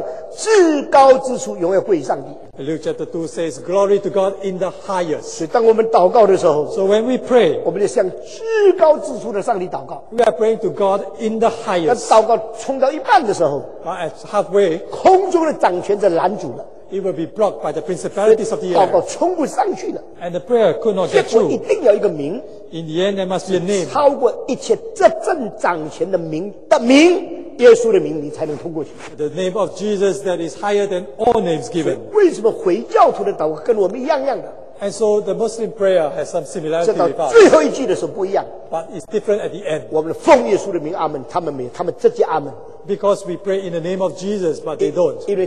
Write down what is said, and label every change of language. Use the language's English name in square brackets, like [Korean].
[Chinese] 路加福音第一章叫做至高，第二章至高之处永远归于上帝。 [English] Luke chapter 2 says, glory to God in the highest. [Chinese] 所以当我们祷告的时候, [English] so when we pray, [Chinese] 我们就向至高之处的上帝祷告。 [English] We are praying to God in the highest. [Chinese] 但祷告冲到一半的时候, [English] but at halfway, [Chinese] 空中的掌权者拦阻了。 [English] It will be blocked by the principalities of the air. [Chinese] 祷告冲不上去了, [English] and the prayer could not get through. [Chinese] 结果一定要一个名, [English] in the end, there must be a name. [Chinese] 超过一切这正掌权的名的名, 耶稣的名, 你才能通过去。 [English] The name of Jesus that is higher than all names given. [Chinese] 为什么回教徒的祷告跟我们一样样的? [English] And so the Muslim prayer has some similarity with us. [Chinese] 直到最后一句的时候不一样, [English] but it's different at the end. [Chinese] 我们奉耶稣的名, 阿们, 他们没有, 他们直接, 阿们。 [English] Because we pray in the name of Jesus, but they don't.